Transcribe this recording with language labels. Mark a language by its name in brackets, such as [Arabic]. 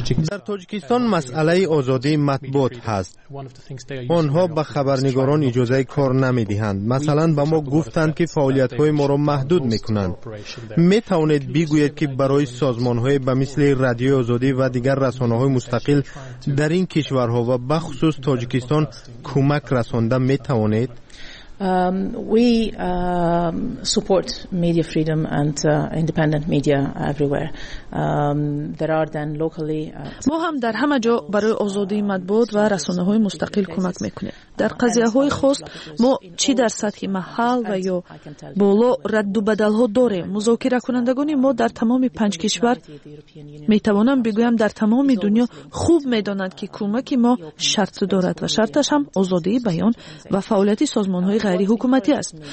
[Persian] در تاجیکستان مسئله آزادی مطبوعات هست. آنها به خبرنگاران اجازه کار نمی دهند. مثلا به ما گفتند که فعالیت های ما را محدود می کنند. می توانید بگویید که برای سازمان های به مثل رادیو آزادی و دیگر رسانه های مستقل در این کشورها و به خصوص تاجیکستان کمک رسانده می توانید؟ [English] We support media freedom and independent media everywhere. There are then locally. [Persian] ما هم در همه جا برای آزادی مطبوعات و رسانه‌های مستقل کمک می‌کنیم. در قضیه‌های خاص ما چی در سطح محل و یا بالا رد و بدل‌ها داریم. مذاکره کنندگان ما در تمام 5 کشور می‌توانم بگویم در تمام دنیا خوب می‌دانند که کمک ما شرط دارد و شرطش هم آزادی بیان و فعالیت سازمان‌های غیر حکومتی است.